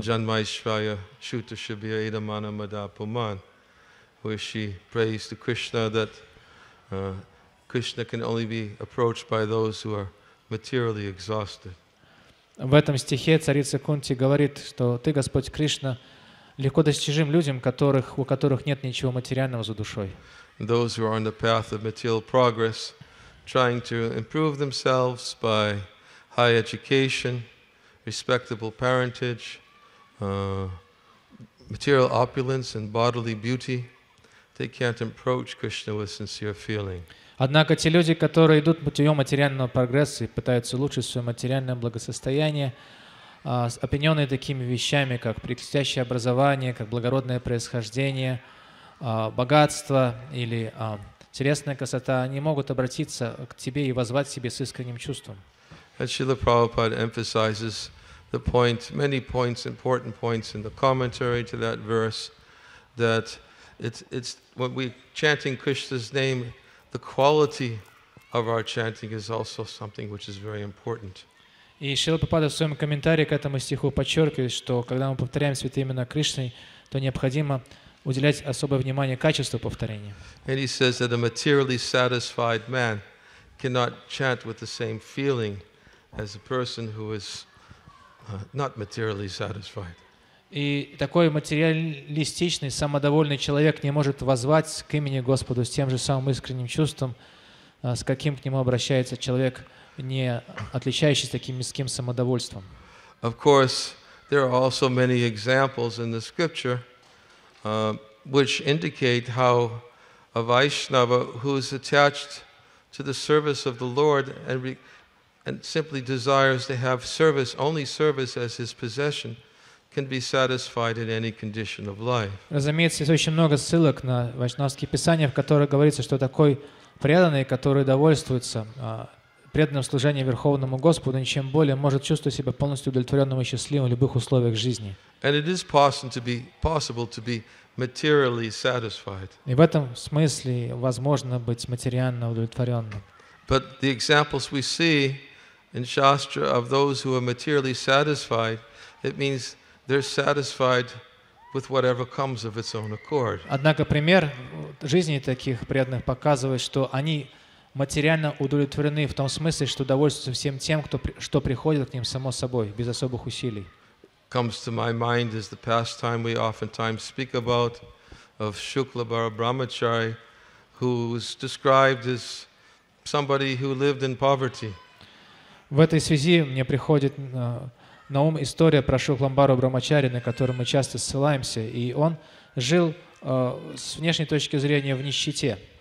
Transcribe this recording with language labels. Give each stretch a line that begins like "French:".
Sanskrit: Janmaishvaya Shuta Shabhya Edamana Madapuman,
English: where she prays to Krishna that Krishna can only be approached by those who are materially exhausted.
Russian: В этом стихе царица Кунти говорит, что ты, Господь Кришна, легко достижим людям, у которых нет ничего материального за душой.
English: Those who are on the path of material progress, trying to improve themselves by high education, respectable parentage, material opulence and bodily beauty, they can't approach Krishna with sincere feeling.
Russian: Однако те люди, которые идут путем материального прогресса и пытаются улучшить свое материальное благосостояние, опьяненные такими вещами, как блестящее образование, как благородное происхождение, богатство или телесная красота, они могут обратиться к тебе и воззвать к тебе с искренним чувством.
English: And Srila Prabhupada emphasizes the point, many points, important points in the commentary to that verse, that it's when we chanting Krishna's name, the quality of our chanting is also something which is very important.
Russian: И Шрила Прабхупада в своем комментарии к этому стиху подчеркивает, что когда мы повторяем святые имена Кришны, то необходимо уделять особое внимание качеству повторения.
English: And he says that a materially satisfied man cannot chant with the same feeling as a person who is not materially satisfied.
Russian: И такой материалистичный, самодовольный человек не может воззвать к имени Господу с тем же самым искренним чувством, с каким к нему обращается человек, не отличающийся таким низким самодовольством.
English: Of course, there are also many examples in the scripture which indicate how a Vaishnava who is attached to the service of the Lord and simply desires to have service, only service as his possession, can be satisfied in any condition of life.
Russian: Разумеется, есть очень много ссылок на вайшнавские писания, в которых говорится, что такой преданный, который довольствуется преданным служением Верховному Господу, ничем более может чувствовать себя полностью удовлетворенным и счастливым в любых условиях жизни.
English: And it is possible to be materially satisfied.
Russian: И в этом смысле возможно быть материально удовлетворенным.
English: But the examples we see in Shastra of those who are materially satisfied, it means they're satisfied with whatever comes of its own accord.
Russian: Однако пример жизни таких преданных показывает, что они материально удовлетворены в том смысле, что довольствуются всем тем, что приходит к ним само собой, без особых усилий.
English: Comes to my mind is the pastime we oftentimes speak about of Shukla Parabrahmachari, who was described as somebody who lived in poverty.
Russian: В этой связи мне приходит на ум история про Шукламбару Брамачари, на которую мы часто ссылаемся, и он жил с внешней точки зрения в нищете.